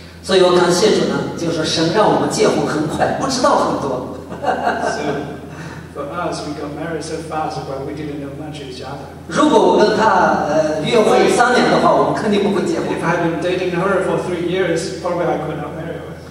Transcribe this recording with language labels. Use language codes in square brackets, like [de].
[zh] 所以我感谢主呢，就是神让我们结婚很快，不知道很多。 [en] For us, we got married so fast, but we didn't know much of each other. [zh] 如果我跟她约会三年的话，我肯定不会结婚。 [en] If I've been dating her for 3 years, probably I could not marry her.